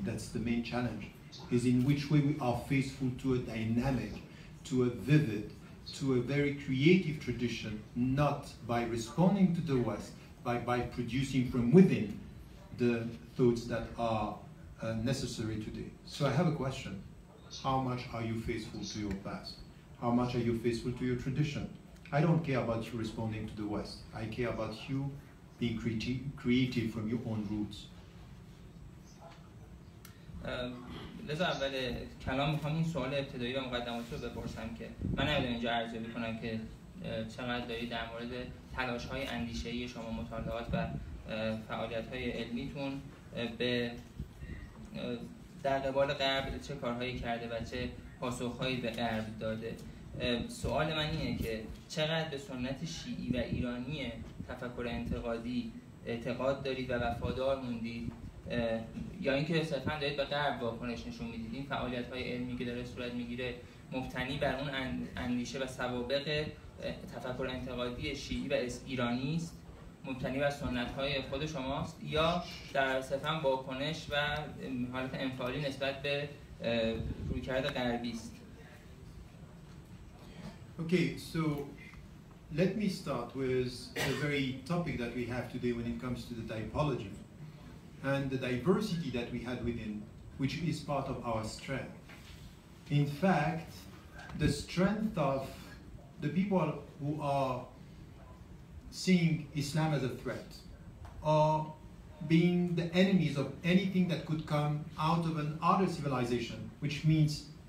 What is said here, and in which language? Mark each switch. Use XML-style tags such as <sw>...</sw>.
<en>That's the main challenge, is in which way we are faithful to a dynamic, to a vivid, to a very creative tradition, not by responding to the West, but by producing from within the thoughts that are necessary today. So I have a question. How much are you faithful to your past? How much are you faithful to your tradition? I don't care about you responding to the West. I care about you being creative from your own roots.</en> <fa>لذا اول کلام میخوام این سوال ابتدایی و مقدماتی رو بپرسم که من نمیدونم اینجا ارزیابی کنم که چقدر دارید در مورد تلاش های اندیشه ای شما، مطالعات و فعالیت های علمیتون به در قبال غرب چه کارهایی کرده و چه پاسخ هایی به غرب داده. سوال من اینه که چقدر به سنت شیعی و ایرانی تفکر انتقادی اعتقاد دارید و وفادار موندید، یا اینکه صرفا دارید به غرب واکنش نشون میدید؟ این فعالیت های علمی که داره صورت میگیره مبتنی بر اون اندیشه و سوابق تفکر انتقادی شیعی و ایرانی است، مبتنی بر سنت های خود شماست، یا در صرفا واکنش و حالت انفعالی نسبت به رویکرد غربی است.</fa> <en>Okay, so let me start with the very topic that we have today when it comes to the typology and the diversity that we had within, which is part of our strength. In fact, the strength of the people who are seeing Islam as a threat are being the enemies of anything that could come out of an other civilization, which means</en>